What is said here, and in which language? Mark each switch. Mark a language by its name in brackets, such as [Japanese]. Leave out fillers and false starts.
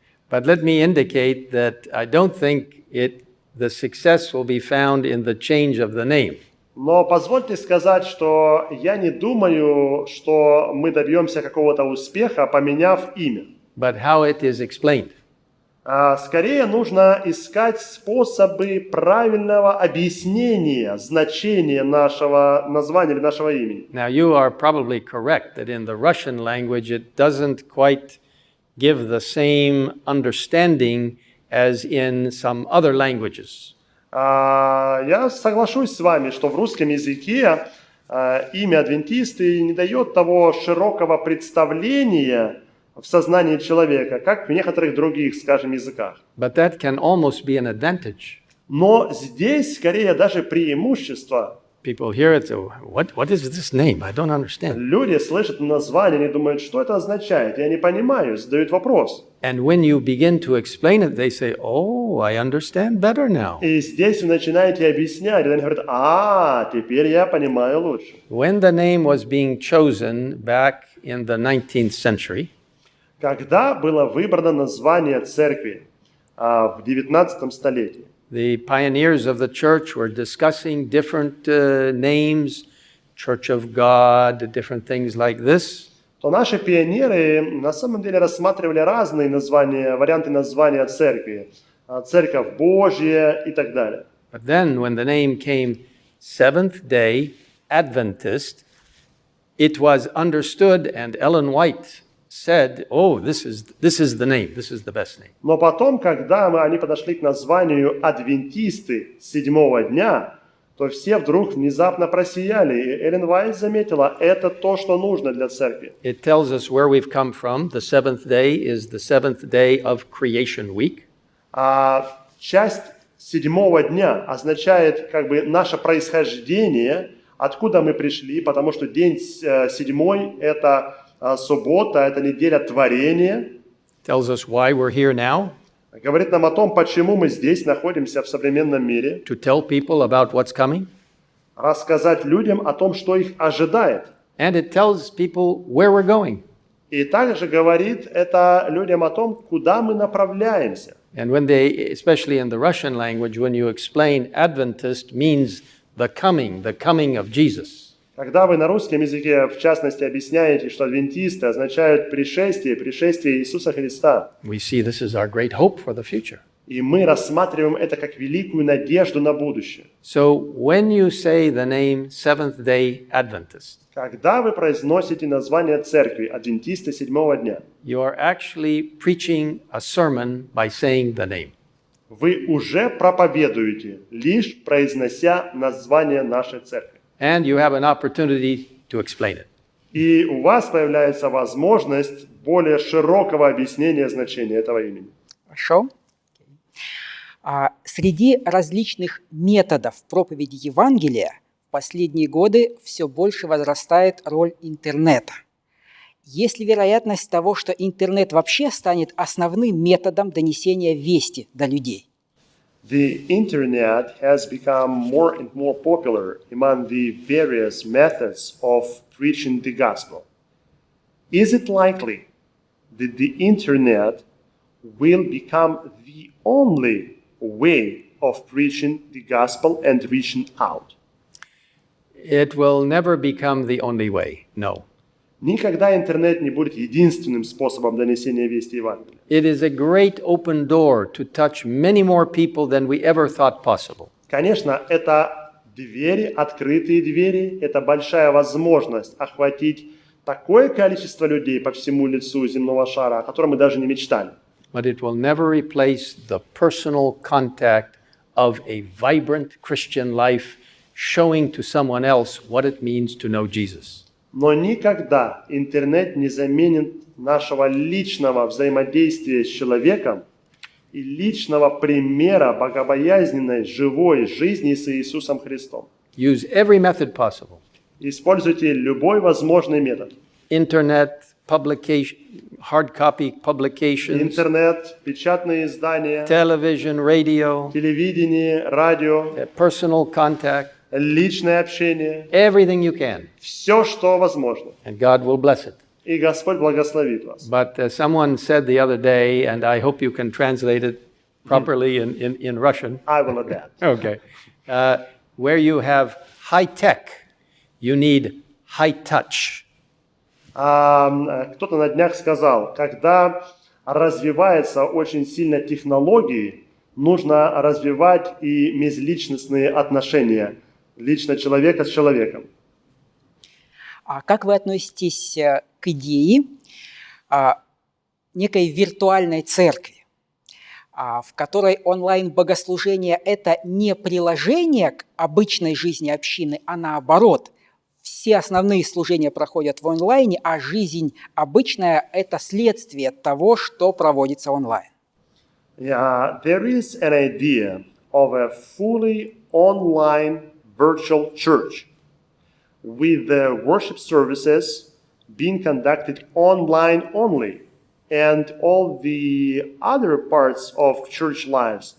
[English] But let me indicate that I don't think the success will be found in the change of the name. [Russian] Но позвольте сказать, что я не думаю, что мы добьемся какого-то успеха, поменяв имя. [English] But how it is explained? [Russian] Скорее нужно искать способы правильного объяснения значения нашего названия или нашего имени. [English] Now you are probably correct that in the Russian language it doesn't quite give the same understanding as in some other languages. [Russian] Я соглашусь с вами, что в русском языке имя адвентисты не дает того широкого представления в сознании человека, как в некоторых других, скажем, языках. [English] But that can almost be an advantage. [Russian] Но здесь скорее даже преимущество. [English] People hear it, what is this name? I don't understand. [Russian] Люди слышат название, они думают, что это означает? Я не понимаю, задают вопрос. [English] And when you begin to explain it, they say, oh, I understand better now. [Russian] И здесь вы начинаете объяснять, и они говорят, теперь я понимаю лучше. [English] When the name was being chosen back in the 19th century, [Russian] когда было выбрано название церкви в 19-м столетии, [English] the pioneers of the church were discussing different names, Church of God, different things like this. [Russian] То наши пионеры на самом деле рассматривали разные названия, варианты названия церкви, Церковь Божья и так далее. [English] But then, when the name came Seventh-day Adventist, it was understood, and Ellen White said, "Oh, this is the name. This is the best name." [Russian] Но потом, когда они подошли к названию Адвентисты седьмого дня, то все вдруг внезапно просияли. И Эллен Уайт заметила, это то, что нужно для церкви. [English] It tells us where we've come from. The seventh day is the seventh day of creation week. [Russian] А часть седьмого дня означает как бы наше происхождение, откуда мы пришли, потому что день седьмой это суббота, это неделя творения. [English] Tells us why we're here now. [Russian] Говорит нам о том, почему мы здесь находимся в современном мире. [English] To tell people about what's coming. [Russian] Рассказать людям о том, что их ожидает. [English] And it tells people where we're going. [Russian] И также говорит это людям о том, куда мы направляемся. [English] And when they, especially in the Russian language, when you explain Adventist means the coming of Jesus. [Russian] Когда вы на русском языке, в частности, объясняете, что адвентисты означают пришествие, пришествие Иисуса Христа. [English] We see this is our great hope for the future. [Russian] И мы рассматриваем это как великую надежду на будущее. [English] So when you say the name Seventh-day Adventist, [Russian] когда вы произносите название церкви Адвентисты седьмого дня, [English] you are actually preaching a sermon by saying the name. [Russian] Вы уже проповедуете, лишь произнося название нашей церкви. [English] And you have an opportunity to explain it. [Russian] И у вас появляется возможность более широкого объяснения значения этого имени. Хорошо. Среди различных методов проповеди Евангелия в последние годы все больше возрастает роль интернета. Есть ли вероятность того, что интернет вообще станет основным методом донесения вести до людей? [English] The internet has become more and more popular among the various methods of preaching the gospel. Is it likely that the internet will become the only way of preaching the gospel and reaching out? It will never become the only way, no. [Russian] Никогда интернет не будет единственным способом донесения вести Евангелия. [English] It is a great open door to touch many more people than we ever thought possible. [Russian] Конечно, это двери, открытые двери, это большая возможность охватить такое количество людей по всему лицу земного шара, о котором мы даже не мечтали. [English] But it will never replace the personal contact of a vibrant Christian life showing to someone else what it means to know Jesus. [Russian] Но никогда интернет не заменит нашего личного взаимодействия с человеком и личного примера богобоязненной живой жизни с Иисусом Христом. [English] Use every method possible. [Russian] Используйте любой возможный метод. [English] Internet, publication, hard copy publications, [Russian] интернет, печатные издания, [English] television, radio, [Russian] телевидение, радио, [English] personal contact. [Russian] Личное общение. [English] Everything you can. [Russian] Все, что возможно. [English] And God will bless it. [Russian] И Господь благословит вас. [English] But someone said the other day, and I hope you can translate it properly in Russian. I will adapt. Okay. Where you have high tech, you need high touch. [Russian] Кто-то на днях сказал, когда развиваются очень сильно технологии, нужно развивать и межличностные отношения. Лично человека с человеком. А как вы относитесь к идее некой виртуальной церкви, в которой онлайн-богослужение – это не приложение к обычной жизни общины, а наоборот, все основные служения проходят в онлайне, а жизнь обычная – это следствие того, что проводится онлайн? [English] There is an idea of a fully online virtual church with the worship services being conducted online only and all the other parts of church lives.